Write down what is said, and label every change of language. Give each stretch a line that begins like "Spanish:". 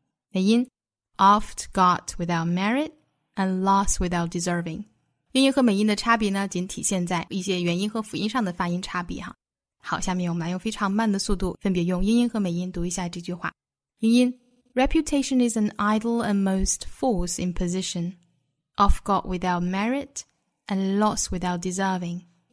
English: 美音 oft got without merit and lost without deserving.
Chinese: 英音和美音的差别呢，仅体现在一些元音和辅音上的发音差别哈。好，下面我们来用非常慢的速度，分别用英音和美音读一下这句话。英音。
English: Reputation is an idle and most false imposition, oft got without merit and lost without deserving.